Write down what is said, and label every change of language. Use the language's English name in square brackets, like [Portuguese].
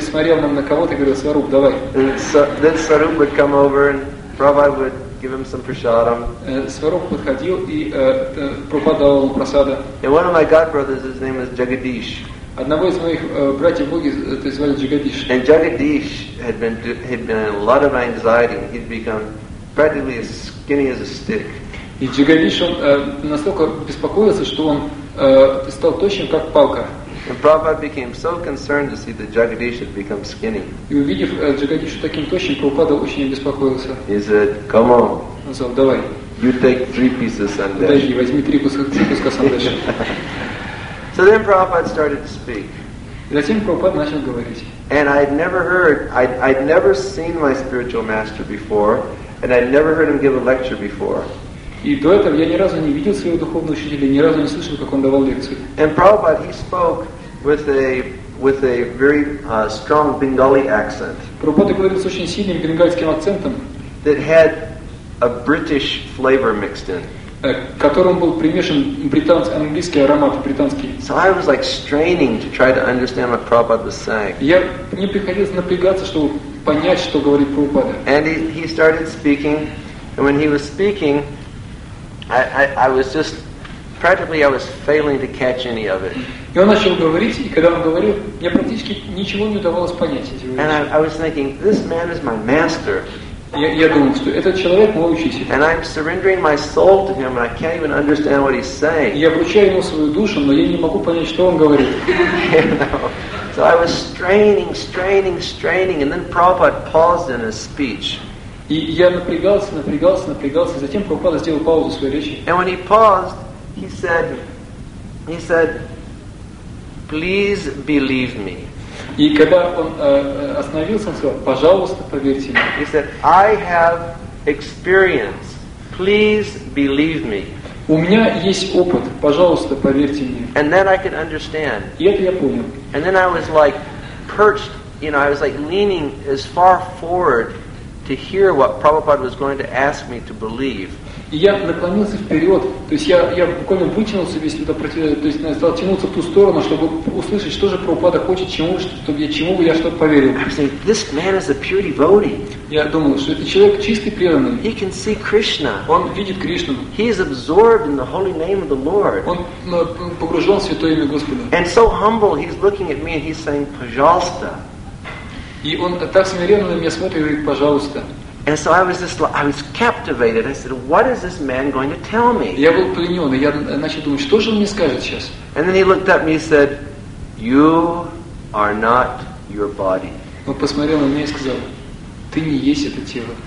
[English] so, then Swarup would come over and Prabhupada would give him some prasadam. And one of my godbrothers, his name is Jagadish. And Jagadish had been in a lot of anxiety and he'd become practically as skinny as a stick. [Russian] И Джагадиш, он настолько беспокоился, что он стал тощим, как палка. [English] And Prabhupada became so concerned to see that Jagadish had become skinny. [Russian] И увидев Джагадишу таким тощим, Прабхупада очень беспокоился. [English] He said, come on. [Russian] Он сказал, давай. [English] You take three pieces sandesh. [Russian] Подожди, возьми три куска сандеша. [English] So then Prabhupada started to speak. [Russian] И затем Прабхупада начал говорить. [English] And I'd never seen my spiritual master before, and I'd never heard him give a lecture before. [Russian] И до этого я ни разу не видел своего духовного учителя, ни разу не слышал, как он давал лекции. [English] And Prabhupada, he spoke with a very strong Bengali accent. [Russian] Прабхупада говорил с очень сильным бенгальским акцентом. [English] That had a British flavor mixed in. [Russian] Которым был примешан английский аромат, британский. [English] So I was like straining to try to understand what Prabhupada was saying. [Russian] Я не приходилось напрягаться, чтобы понять, что говорит Прабхупада. [English] And he started speaking, and when he was speaking, I was just practically I was failing to catch any of it. [Russian] И он начал говорить, и когда он говорил, мне практически ничего не удавалось понять эти вещи. [English] And I was thinking, this man is my master. [Russian] Я думал, что этот человек мой учитель. [English] And I'm surrendering my soul to him, and I can't even understand what he's saying. [Russian] Я вручаю ему свою душу, но я не могу понять, что он говорит. [English] So I was straining, and then Prabhupada paused in his speech. [Russian] И я напрягался, затем Прабхупада сделал паузу в своей речи. [English] And when he paused, he said, please believe me. [Russian] И когда он остановился, он сказал, пожалуйста, поверьте мне. [English] He said, I have experience. Please believe me. [Russian] У меня есть опыт, пожалуйста, поверьте мне. [English] And then I could understand. [Russian] И это я понял. [English] And then I was like perched, you know, I was like leaning as far forward to hear what Prabhupada was going to ask me to believe. [Russian] И я наклонился вперед, то есть я буквально вытянулся весь туда, то есть стал тянуться в ту сторону, чтобы услышать, что же Прабхупада хочет, чтобы я что-то поверил. [English] This man is a pure devotee. [Russian] Я думал, что это человек чистый преданный. [English] He can see Krishna. [Russian] Он видит Кришну. [English] He is absorbed in the holy name of the Lord. [Russian] Он погружен в святое имя Господа. [English] And so humble, he's looking at me and he's saying, [Russian] "Пожалуйста." И он так смиренно на меня смотрит и говорит, "Пожалуйста." [English] And so I was captivated. I said, "What is this man going to tell me?" [Russian] Я был пленён, и я начал думать, что же он мне скажет сейчас. [English] And then he looked at me and said, "You are not your body." [Russian] Он посмотрел на меня и сказал, "Ты не есть это тело."